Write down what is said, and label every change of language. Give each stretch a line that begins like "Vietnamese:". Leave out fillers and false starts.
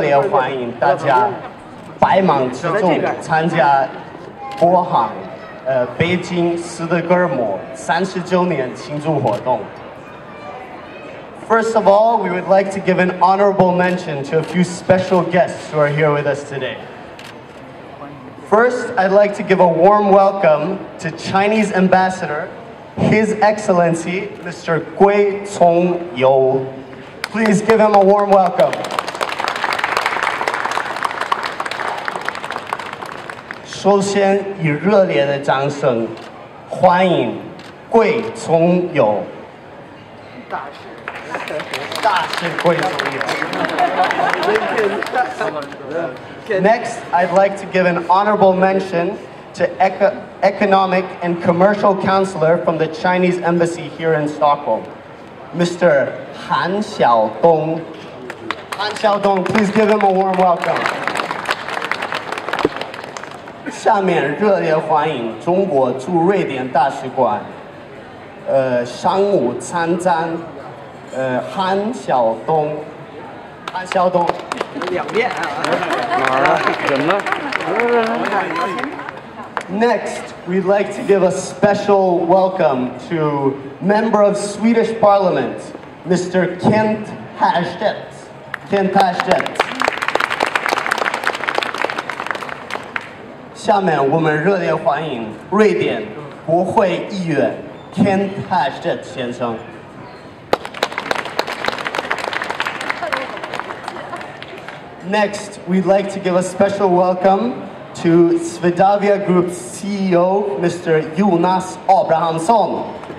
Chinese: 烈欢迎大家百忙之中参加波航北京斯德哥尔摩30周年庆祝活动。
English: First of all, we would like to give an honorable mention to a few special guests who are here with us today. First, I'd like to give a warm welcome to Chinese Ambassador, His Excellency, Mr. Gui Chongyou. Please give him a warm welcome.
Chinese: 首先以热烈的掌声欢迎贵从友大师大师贵从友
English: Next, I'd like to give an honorable mention to Economic and Commercial Counselor from the Chinese Embassy here in Stockholm, Mr. Han Xiaodong. Han Xiaodong, please give him a warm welcome.
Chinese: 下面热烈欢迎中国驻瑞典大使馆商务参赞Han Xiaodong.
English: Han Xiaodong. Next, we'd like to give a special welcome to Member of Swedish Parliament, Mr. Kent Hashtet. Kent Hashtet.
Chinese: 下面我们热烈欢迎瑞典国会议员 Kent Hashtet 先生。
English: Next, we'd like to give a special welcome to Swedavia Group's CEO, Mr. Jonas Abrahamsson.